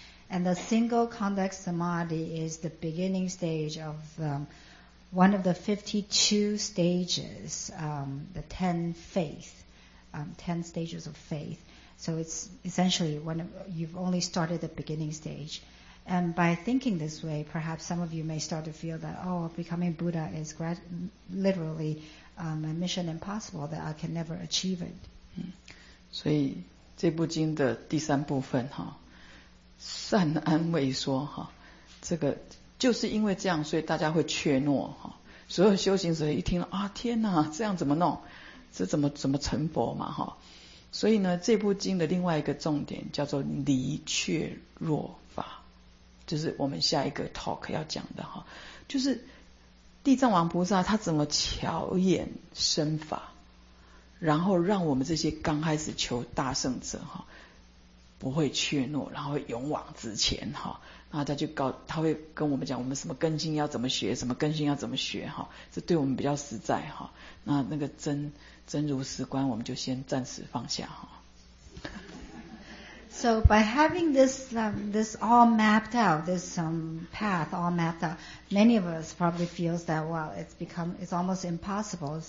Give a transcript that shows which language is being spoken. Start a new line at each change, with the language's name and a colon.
English: And the single conduct samadhi is the beginning stage of one of the 52 stages, the 10 faith, 10 stages of faith. So it's essentially you've only started the beginning stage. And by thinking this way, perhaps some of you may start to feel that, oh, becoming Buddha is literally a mission impossible, that I can never achieve it.
Chinese: 所以这部经的第三部分哈，善安慰说哈，这个就是因为这样，所以大家会怯懦哈。所有修行者一听了啊，天哪，这样怎么弄？这怎么成佛嘛哈？所以呢，这部经的另外一个重点叫做离怯弱法，就是我们下一个 talk 要讲的哈，就是地藏王菩萨他怎么巧演身法，然后让我们这些刚开始求大圣者哈，不会怯懦，然后勇往直前哈。那他就他会跟我们讲，我们什么根性要怎么学，什么根性要怎么学哈，这对我们比较实在哈。那个真如实观，我们就先暂时放下哈。
English: So by having this this all mapped out, this path all mapped out, many of us probably feels that, well, it's almost impossible.